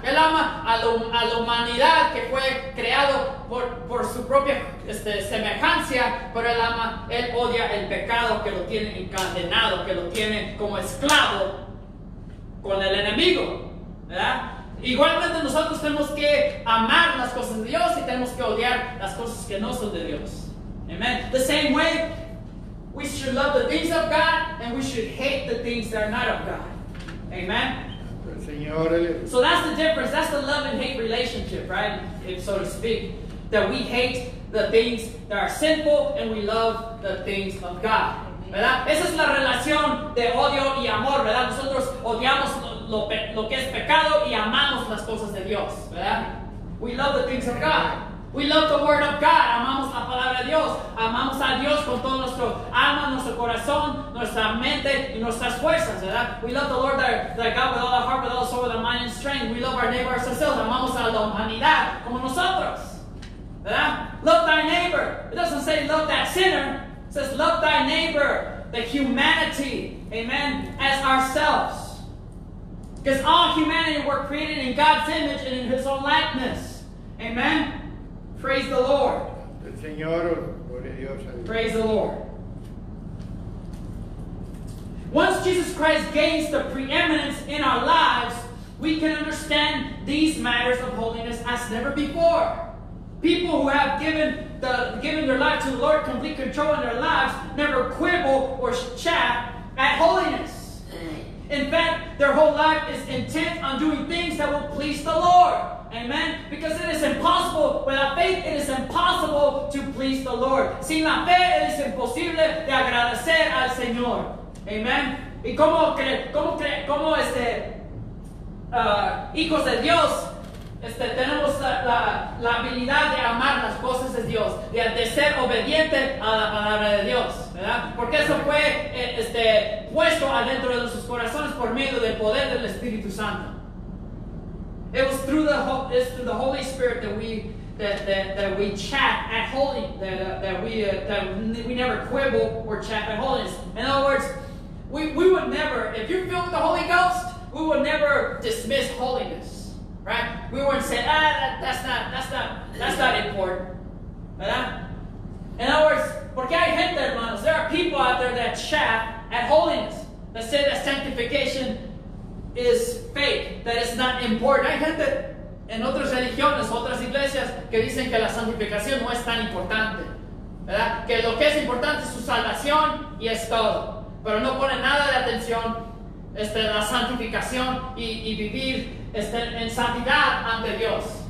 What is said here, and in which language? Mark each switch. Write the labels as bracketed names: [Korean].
[Spanish] Él ama a la humanidad que fue creado por su propia semejanza, pero él ama, él odia el pecado que lo tiene encadenado, que lo tiene como esclavo con el enemigo, ¿verdad? Igualmente nosotros tenemos que amar las cosas de Dios y tenemos que odiar las cosas que no son de Dios. Amen. [English] The same way, we should love the things of God and we should hate the things that are not of God. Amen. So that's the difference. That's the love and hate relationship, right? If so to speak. That we hate the things that are sinful and we love the things of God. [Spanish] ¿Verdad? Esa es la relación de odio y amor, ¿verdad? Nosotros odiamos lo que es pecado y amamos las cosas de Dios, ¿verdad? [English] We love the things of God. We love the word of God. [Spanish] Amamos la palabra de Dios. Amamos a Dios con todo nuestro alma, nuestro corazón, nuestra mente y nuestras fuerzas, ¿verdad? [English] We love the Lord that God with all our heart, with all soul, with our mind and strength. We love our neighbor as ourselves. [Spanish] Amamos a la humanidad como nosotros, ¿verdad? [English] Love thy neighbor. It doesn't say love that sinner. It says love thy neighbor, the humanity, amen, as ourselves. Because all humanity were created in God's image and in his own likeness. Amen? Praise the Lord. [Spanish] El Señor, gloria a Dios. [English] Praise the Lord. Once Jesus Christ gains the preeminence in our lives, we can understand these matters of holiness as never before. People who have given their life to the Lord, complete control in their lives, never quibble or chaff at holiness. In fact, their whole life is intent on doing things that will please the Lord. Amen? Because it is impossible, without faith, it is impossible to please the Lord. [Spanish] Sin la fe, es imposible de agradecer al Señor. Amen? Y hijos de Dios, tenemos la habilidad de amar las cosas de Dios, de ser obediente a la palabra de Dios, ¿verdad? Porque eso fue puesto adentro de nuestros corazones por medio del poder del Espíritu Santo. [English] It was through the Holy Spirit that we never quibble or chat at holiness. In other words, we would never, if you're filled with the Holy Ghost, we would never dismiss holiness. Right? We wouldn't say, that's not important. [Spanish] ¿Verdad? [English] In other words, [Spanish] porque hay gente, hermanos, [English] there are people out there that chaff at holiness, that say that sanctification is fake, that it's not important. [Spanish] Hay gente en otras religiones, otras iglesias, que dicen que la santificación no es tan importante. ¿Verdad? Que lo que es importante es su salvación y es todo. Pero no pone nada de atención la santificación y vivir en santidad ante Dios.